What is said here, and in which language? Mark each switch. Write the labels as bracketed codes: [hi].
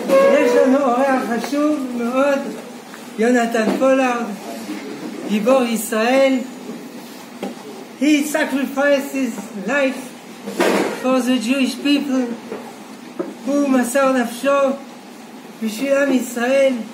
[he] ראשון הוא אורח חשוב מאוד, יונתן פולארד, גיבור ישראל. [en] He sacrificed his life for the Jewish people. [he] הוא מסר נפשו בשביל עם ישראל.